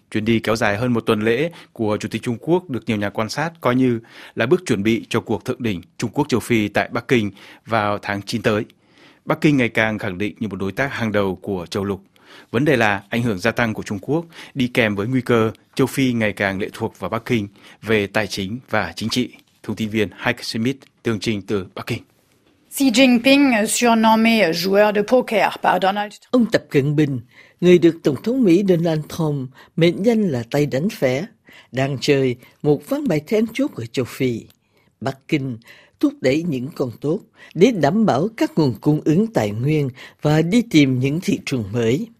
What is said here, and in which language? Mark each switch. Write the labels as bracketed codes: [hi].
[vi] Chuyến đi kéo dài hơn một tuần lễ của Chủ tịch Trung Quốc được nhiều nhà quan sát coi như là bước chuẩn bị cho cuộc thượng đỉnh Trung Quốc-Châu Phi tại Bắc Kinh vào tháng 9 tới. Bắc Kinh ngày càng khẳng định như một đối tác hàng đầu của châu lục. Vấn đề là ảnh hưởng gia tăng của Trung Quốc đi kèm với nguy cơ châu Phi ngày càng lệ thuộc vào Bắc Kinh về tài chính và chính trị. Thông tin viên Hike Smith tường trình từ Bắc Kinh. [fr] Xi Jinping, surnommé joueur de poker par Donald Trump. [vi] Ông Tập Cận Bình, người được Tổng thống Mỹ Donald Trump mệnh danh là tay đánh phé, đang chơi một ván bài then chốt ở châu Phi. Bắc Kinh thúc đẩy những con tốt để đảm bảo các nguồn cung ứng tài nguyên và đi tìm những thị trường mới.